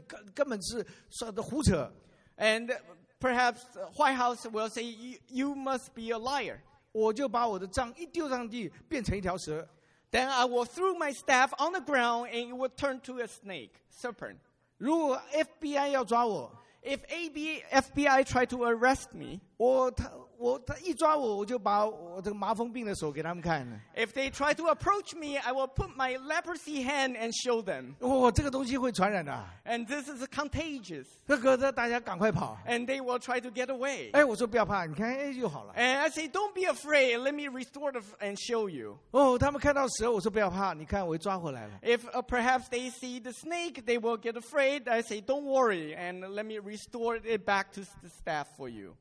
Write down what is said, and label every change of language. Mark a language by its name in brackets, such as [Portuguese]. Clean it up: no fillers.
[Chinese] 他们老远就说我们觉得你根本是胡扯, [English] and perhaps White House will say you must be a liar. [Chinese] 我就把我的杖一丢上去变成一条蛇, [English] then I will throw my staff on the ground and it will turn to a snake, serpent. [Chinese] 如果FBI要抓我, [English] if FBI try to arrest me, [Chinese] 我一抓我，我就把我这个麻风病的手给他们看。 [English] If they try to approach me, I will put my leprosy hand and show them. [Chinese] 哇，这个东西会传染的。 [English] And this is contagious. [Chinese] 那大家赶快跑。 [English] And they will try to get away. [Chinese] 哎，我说不要怕，你看，哎，就好了。 [English] And I say, don't be afraid. Let me restore and show you. [Chinese] 哦，他们看到蛇，我说不要怕，你看，我抓回来了。 [English] If perhaps they see the snake, they will get afraid. I say, don't worry, and let me restore it back to the staff for you.